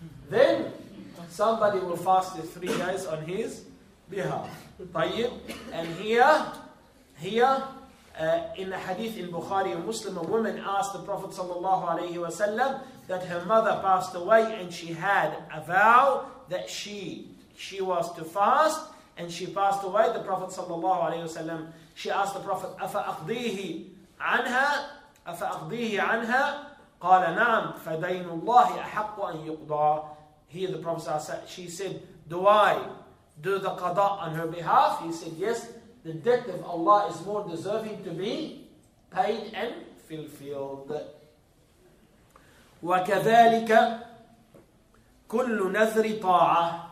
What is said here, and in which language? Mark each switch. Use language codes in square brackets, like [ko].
[en] Then somebody will fast for 3 days on his behalf. Tayyib. And here, in the hadith in Bukhari and Muslim, a woman asked the Prophet ﷺ that her mother passed away and she had a vow that she was to fast, and she passed away. The Prophet ﷺ, she asked the Prophet, [ar] أَفَأَقْضِيهِ عَنْهَا أَفَأَقْضِيهِ عَنْهَا قَالَ نَعَمْ فَدَيْنُ اللَّهِ أَحَقُّ أَنْ يُقْضَى. [en] Here the Prophet ﷺ, she said, do I do the qada on her behalf? He said, yes. The debt of Allah is more deserving to be paid and fulfilled. [ar] وكذلك كل نذر طاعة.